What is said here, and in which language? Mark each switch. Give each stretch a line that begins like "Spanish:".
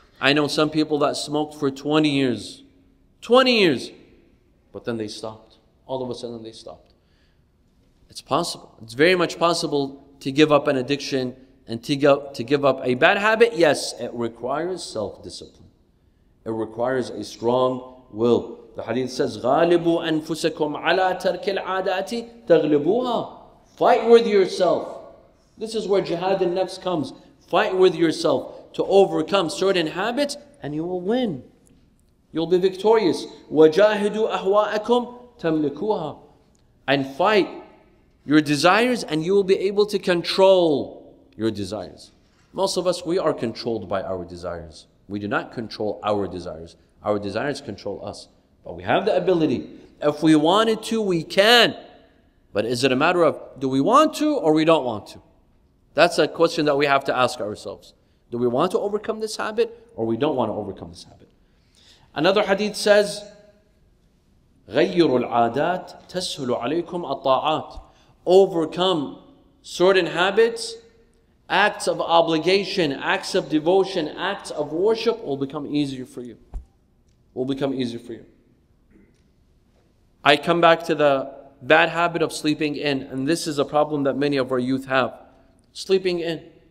English: I know some people that smoked for 20 years. 20 years. But then they stopped. All of a sudden they stopped. It's possible. It's very much possible to give up an addiction and to give up a bad habit. Yes, it requires self-discipline. It requires a strong will.
Arabic: The hadith says, غَالِبُوا أَنفُسَكُمْ عَلَىٰ تَرْكِ الْعَادَاتِ تَغْلِبُوهَا.
English: Fight with yourself. This is where jihad in nafs comes. Fight with yourself to overcome certain habits and you will win.
Arabic: You'll be victorious. وَجَاهِدُوا أَهْوَاءَكُمْ تَمْلِكُوهَا.
English: And fight your desires and you will be able to control your desires. Most of us, we are controlled by our desires. We do not control our desires. Our desires control us. But we have the ability. If we wanted to, we can. But is it a matter of, do we want to or we don't want to? That's a question that we have to ask ourselves. Do we want to overcome this habit or we don't want to overcome this habit?
Arabic: Another hadith says, غَيِّرُوا الْعَادَاتِ تَسْهُلُ عَلَيْكُمْ الطَّاعَاتِ.
English: Overcome certain habits, acts of obligation, acts of devotion, acts of worship will become easier for you. Will become easier for you. I come back to the bad habit of sleeping in, and this is a problem that many of our youth have. Sleeping in.